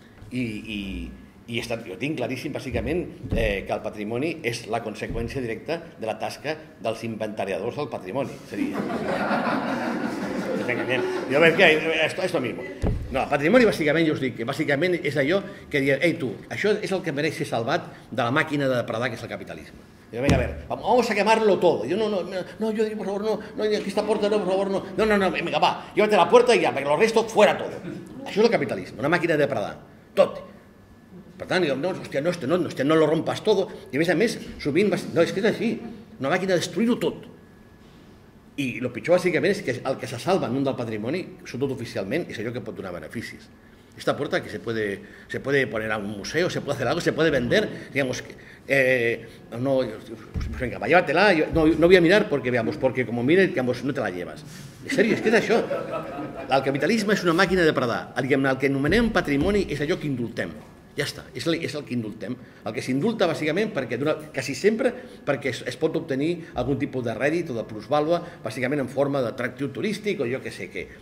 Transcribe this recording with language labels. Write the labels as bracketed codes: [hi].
[ca] I he estat, jo tinc claríssim, bàsicament, que el patrimoni és la conseqüència directa de la tasca dels inventariadors del patrimoni. Seria... Jo veig que és el mateix. No, el patrimoni, bàsicament, jo us dic, que bàsicament és allò que diuen, ei, tu, això és el que mereix ser salvat de la màquina de depredar, que és el capitalisme. Jo vinga, a veure, [es] vamos a quemarlo todo. [ca] Jo, no, jo dic, [es] por favor, [ca] no, aquesta porta no, por favor, no, vinga, va, [es] llévate la puerta y ya, porque lo resto fuera todo. [ca] Això és el capitalisme, una màquina de depredar, tot. Per tant, diuen, [es] no lo rompas todo. [ca] I a més, sovint, no, és que és així, una màquina de destruir-ho tot. I el pitjor bàsicament és que el que se salva en un del patrimoni, sobretot oficialment, és allò que pot donar beneficis. [es] Esta puerta que se puede poner a un museo, se puede hacer algo, se puede vender, digamos, pues venga, va, llévatela, no voy a mirar porque veamos, porque como mire, digamos, no te la llevas. En serio, es que es això. [ca] El capitalisme és una màquina de depredar. El que anomenem patrimoni és allò que indultem. Ja està, és el que indultem. El que s'indulta, bàsicament, perquè dona, quasi sempre perquè es pot obtenir algun tipus de rèdit o de plusvàlua, bàsicament en forma d'atractiu turístic o jo que sé què.